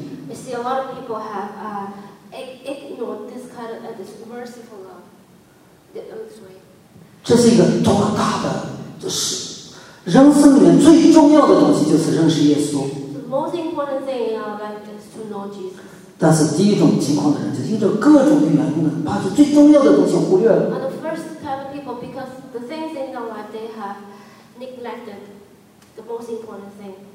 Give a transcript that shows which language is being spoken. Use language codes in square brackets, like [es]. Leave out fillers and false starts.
[en] we see a lot of people have ignored this kind of this merciful love. Sorry. [zh] 这是一个多大的就是人生里面最重要的东西就是认识耶稣。 [en] The most important thing in our life is to know Jesus. [zh] 但是第一种情况的人，就因着各种的原因呢，把最重要的东西忽略了。 [en] And the first type of people, because the things in their life they have neglected the most important thing.